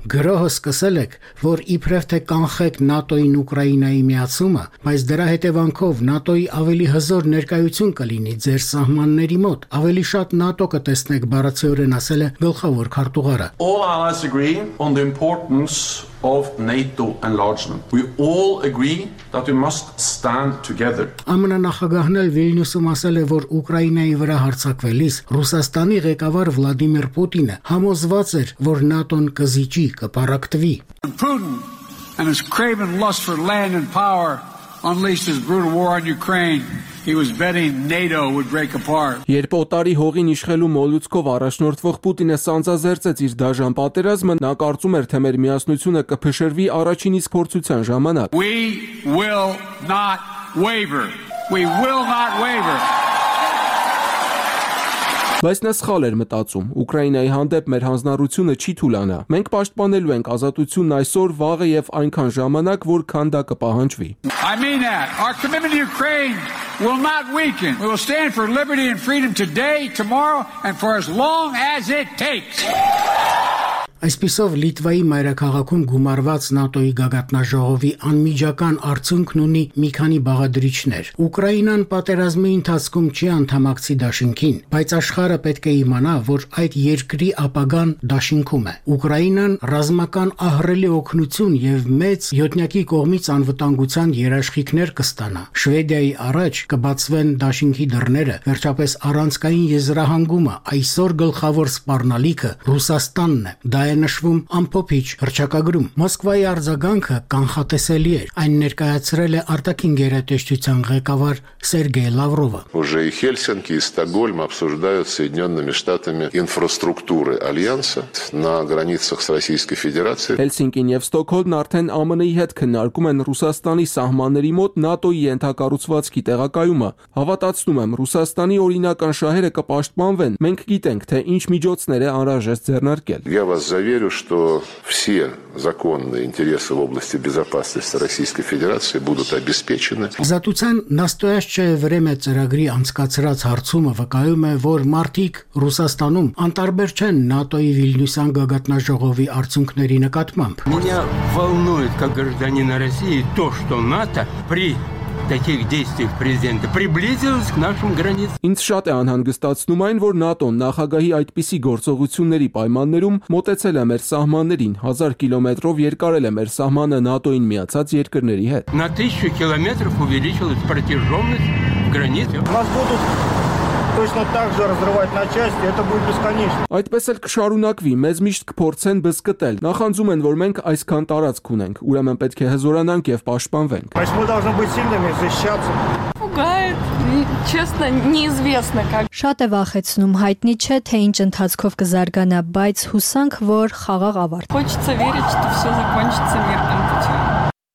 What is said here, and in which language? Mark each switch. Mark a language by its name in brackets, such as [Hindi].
[Armenian] «Գրոհը սկսել եք, որ իբր թե կանխեք ՆԱՏՕ-ին Ուկրաինայի միացումը, բայց դրա հետևանքով ՆԱՏՕ-ի ավելի հզոր ներկայություն կլինի ձեր սահմանների մոտ, ավելի շատ ՆԱՏՕ կտեսնեք», բարացիորեն ասել է գլխավոր քարտուղարը։ [English] All allies agree on the importance of NATO enlargement. We all agree that we must stand together. [Armenian] ԱՄՆ նախագահն էլ Վիլնյուսում ասել է, որ Ուկրաինայի վրա հարձակվելիս Ռուսաստանի ղեկավար Վլադիմիր Պուտինը համոզված էր, որ ՆԱՏՕ-ն կզիջի, կպարակտվի։ [English] Putin and his craven lust for land and power unleashed his brutal war on Ukraine. He was betting NATO would break apart. [Armenian] Երբ օտարի հողին իշխելու մոլուցկով առաջնորդվող Պուտինը սանձազերծեց իր դաժան պատերազմը, նա կարծում էր, թե մեր միասնությունը կփշրվի առաջին իսկ փորձության ժամանակ։ [English] We will not waver. We will not waver. [Armenian] Բայց նա սխալ էր մտածում, Ուկրաինայի հանդեպ մեր հանձնառությունը չի թուլանա, մենք պաշտպանելու ենք ազատությունն այսօր, վաղը և այնքան ժամանակ, որ քան դա կպահանջվի։ [English] I mean that. Our commitment to Ukraine will not weaken. We will stand for liberty and freedom today, tomorrow, and for as long as it takes. [Armenian] Այսպիսով Լիտվայի մայրաքաղաքում գումարված ՆԱՏՕ-ի գագաթնաժողովի անմիջական արդյունքն ունի մի քանի բաղադրիչներ։ Ուկրաինան պատերազմի ընթացքում չի անդամակցի Դաշինքին, բայց աշխարհը պետք է իմանա, որ այդ երկրի ապագան Դաշինքում է։ Ուկրաինան ռազմական ահռելի օգնություն և մեծ յոթնյակի կողմից անվտանգության երաշխիքներ կստանա։ Շվեդիայի առաջ կբացվեն Դաշինքի դռները, վերջապես առանցքային եզրահանգումը, այսօր գլխավոր սպառնալիքը Ռուսաստանն է։ Դա է նշվում ամփոփիչ հռչակագրում։ Մոսկվայի արձագանքը կանխատեսելի էր, այն ներկայացրել է արտաքին գերատեսչության ղեկավար Սերգեյ Լավրովը։ [Russian] Уже и Хельсинки, и Стокгольм обсуждают с Соединёнными Штатами инфраструктуры альянса на границах с Российской Федерацией։ [Armenian] Հելսինկին և Ստոկհոլմն արդեն ԱՄՆ-ի հետ քննարկում են Ռուսաստանի սահմանների մոտ ՆԱՏՕ-ի ենթակառուցվածքի տեղակայումը։ Հավատացնում եմ, Ռուսաստանի օրինական շահերը կպաշտպանվեն։ Մենք գիտենք, թե ինչ միջոցներ է անհրաժեշտ ձեռնարկել։ [Russian] Я вас заверю, что все законные интересы в области безопасности Российской Федерации будут обеспечены. Затуцан настоящее время [Armenian] ծրագրի անցկացրած հարցումը վկայում է, որ մարդիկ Ռուսաստանում անտարբեր չեն ՆԱՏՕ-ի Վիլնյուսյան գագաթնաժողովի արդյունքների նկատմամբ։ [Russian] Меня волнует как гражданина России то, что НАТО при таких действиях президента приблизилась к нашим границам. [Armenian] Ինձ շատ է անհանգստացնում այն, որ ՆԱՏՕ-ն նախագահի այդպիսի գործողությունների պայմաններում մոտեցել է մեր սահմաններին, 1000 կիլոմետրով երկարել է մեր սահմանը ՆԱՏՕ-ին միացած երկրների հետ։ [Russian] На 1000 километров увеличилась протяженность границ. Нас будут точно так же разрывать на части, это будет бесконечно. [Armenian] Այդպես էլ կշարունակվի, մեզ միշտ կփորձեն բզկտել։ Նախանձում են, որ մենք այսքան տարածք ունենք, ուրեմն պետք է հզորանանք եւ պաշտպանվենք։ Բայց մենք [Russian] должны быть сильными, защищаться. Пугает. Честно, неизвестно как. [Armenian] Շատ է վախեցնում, հայտնի չէ թե ինչ ընթացքով կզարգանա, բայց հուսանք, որ խաղաղ ավարտ։ [Russian] Хочется верить, что всё закончится мирным путём.